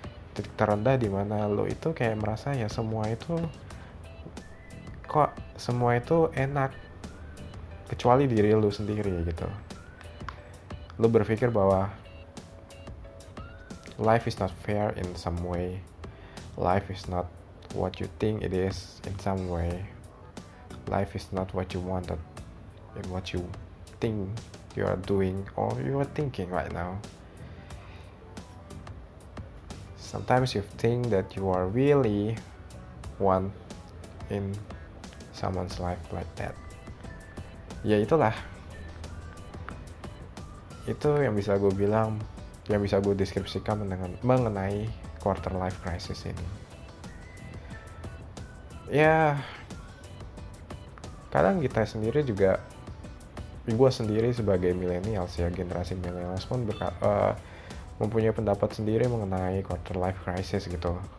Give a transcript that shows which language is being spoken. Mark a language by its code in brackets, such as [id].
[id] Titik terendah di mana lu itu kayak merasa ya semua itu kok semua itu enak kecuali diri lu sendiri gitu. Lu berpikir bahwa [en] life is not fair in some way. Life is not what you think it is in some way. Life is not what you wanted in what you think you are doing or you are thinking right now. Sometimes you think that you are really one in someone's life like that. [id] Ya itulah, itu yang bisa gue bilang, yang bisa gue deskripsikan mengenai quarter life crisis ini. Ya kadang kita sendiri juga, gue sendiri sebagai millennials ya, generasi millennials pun mempunyai pendapat sendiri mengenai quarter life crisis gitu.